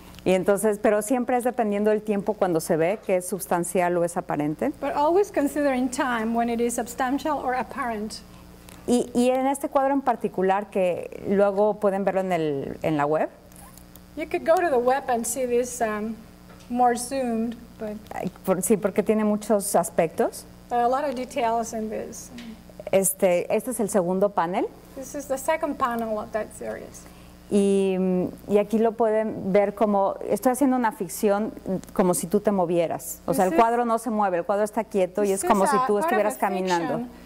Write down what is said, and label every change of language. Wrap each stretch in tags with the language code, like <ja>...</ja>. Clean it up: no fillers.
<es>Y entonces, pero siempre es dependiendo del tiempo cuando se ve que es sustancial o es aparente.</es> <en>But always considering time when it is substantial or apparent.</en> <es>Y en este cuadro en particular, que luego pueden verlo en la web.</es> <en>You could go to the web and see this more zoomed, but...</en> <es>Sí, porque tiene muchos aspectos.</es> <en>A lot of details in this.</en> <es>Este es el segundo panel.</es> <en>This is the second panel of that series.</en> <es>Y aquí lo pueden ver como, estoy haciendo una ficción como si tú te movieras. O sea, el cuadro no se mueve, el cuadro está quieto y es como si tú estuvieras caminando.</es>